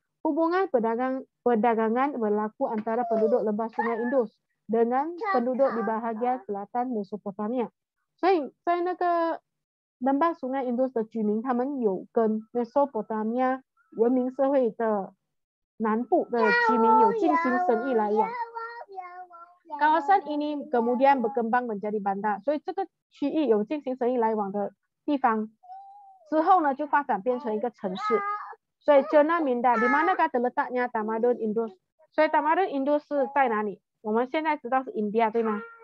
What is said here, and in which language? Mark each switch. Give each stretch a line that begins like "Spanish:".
Malay: Hubungan perdagangan berlaku antara penduduk lembah sungai Indus dengan penduduk di bahagian selatan Mesopotamia.
Chinese: 所以在那个 lembah sungai Indus 的居民，他们有跟 Mesopotamia 文明社会的南部的居民有进行生意来往。
Malay: Kawasan ini kemudian berkembang menjadi bandar.
Chinese: 所以这个区域有进行生意来往的地方。之后呢，就发展变成一个城市，所以就那名的，你们那个怎么打呀？Tamadun Indus，所以 Tamadun Indus 是在哪里？我们现在知道是 India 对吗？